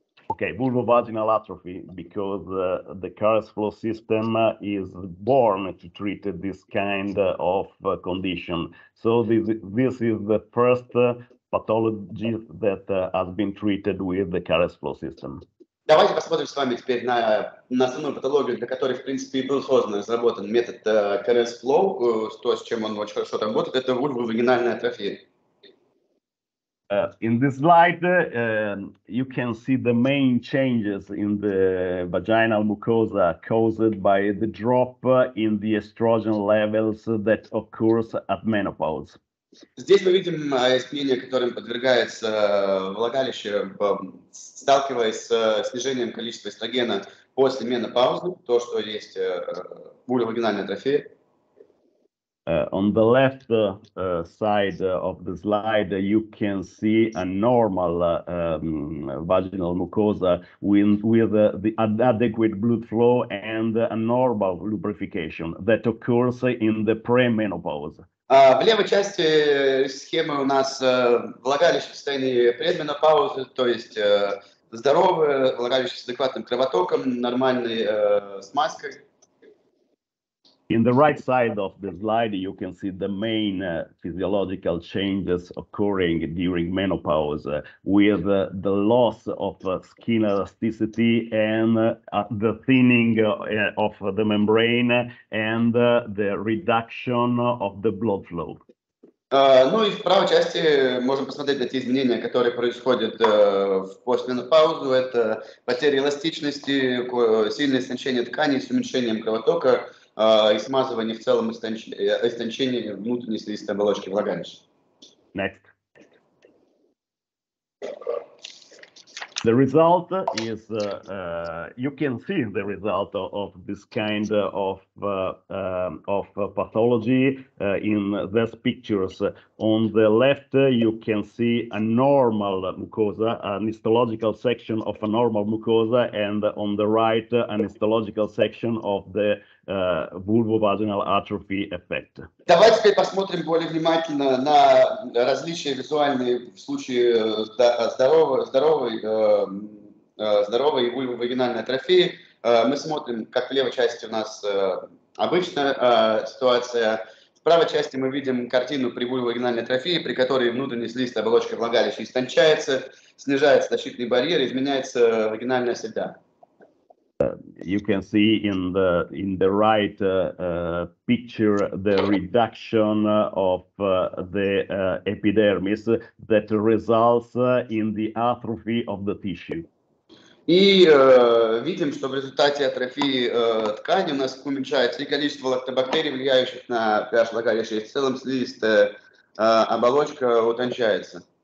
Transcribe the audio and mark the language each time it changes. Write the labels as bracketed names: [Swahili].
[English] Okay, vulvovaginal atrophy, because the Caress flow system is born to treat this kind of condition. So this is the first pathology that has been treated with the Caress flow system. [Russian] Давайте посмотрим с вами теперь на основную патологию, для которой, в принципе, был создан и разработан метод Caress flow, то, с чем он очень хорошо работает, это вульвовагинальная атрофия. [English] In this slide, you can see the main changes in the vaginal mucosa caused by the drop in the estrogen levels that occurs at menopause. [Russian] Здесь мы видим изменения, которым подвергается влагалище, сталкиваясь с снижением количества эстрогена после менопаузы, то, что есть вульвовагинальная атрофия. [English] On the left side of the slide, you can see a normal vaginal mucosa with the adequate blood flow and a normal lubrication that occurs in the premenopause. [Russian] В левой части схемы у нас влагалище в состоянии предменопаузы, то есть здоровое влагалище с адекватным кровотоком, нормальной смазкой. [English] In the right side of the slide, you can see the main physiological changes occurring during menopause with the loss of skin elasticity and the thinning of the membrane and the reduction of the blood flow. [Russian] Ну и в правой части можем посмотреть эти изменения, которые происходят в постменопаузу. Это потеря эластичности, сильное истончение тканей с уменьшением кровотока и смазывание в целом истончение внутренней слизистой оболочки влагалища. [English] Next. The result is, you can see the result of this kind of pathology in these pictures. On the left, you can see a normal mucosa, an histological section of a normal mucosa, and on the right, an histological section of the vulvovaginal atrophy effect. [Russian] Давайте теперь посмотрим более внимательно на различия визуальные в случае здоровой вульвовагинальной атрофии. Мы смотрим, как в левой части у нас обычная ситуация. В правой части мы видим картину при вульвовагинальной атрофии, при которой внутренняя слизистая оболочка влагалища истончается, снижается защитный барьер, изменяется вагинальная среда. [English] You can see in the right picture the reduction of the epidermis that results in the atrophy of the tissue. [Russian] И видим, что в результате атрофии ткани у нас уменьшается и количество лактобактерий, влияющих на pH влагалища, и в целом слизистая оболочка утончается.